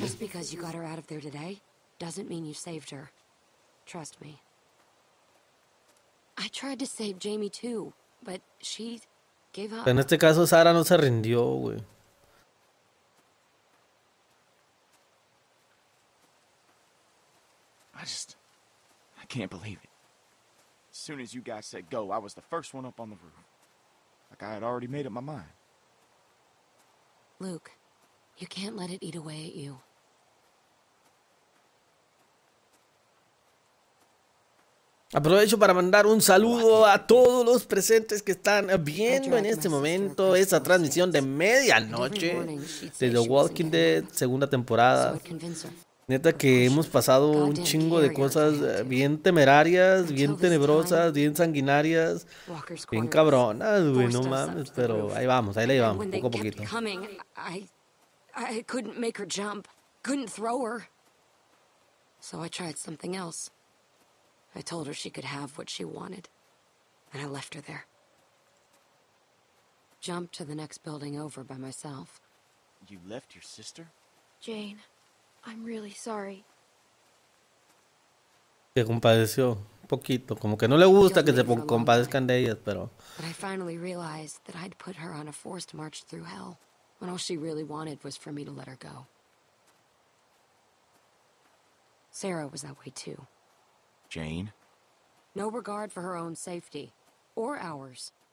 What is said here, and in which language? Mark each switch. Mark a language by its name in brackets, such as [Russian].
[English] Just because you got her out of there today doesn't mean you saved her. Trust me. I tried to save Jamie too, but she gave up. [Spanish] En este caso Sara no se rindió, güey. [English] I can't believe it. As soon as you guys said go, I was the first one up on the roof. Like I had already made up my mind. Luke, you can't let it eat away at you. [Spanish] I Aprovecho para mandar un saludo a todos los presentes que están viendo en este momento esta transmisión de medianoche de The Walking Dead, segunda temporada. Neta que hemos pasado un chingo de cosas bien temerarias, bien tenebrosas, bien sanguinarias, bien cabronas, güey, no mames, pero ahí vamos, ahí la llevamos, poco a poquito. [English] I told her she could have what she wanted, and I left her there. Jumped to the next building over by myself. You left your sister? Jane, I'm really sorry. [Spanish] Se compadeció, poquito, como que no le gusta que se compadezcan de ellas, pero... [English] But I finally realized that I'd put her on a forced march through hell, when all she really wanted was for me to let her go. Sarah was that way too. Jane? No regard for her own safety. Or ours.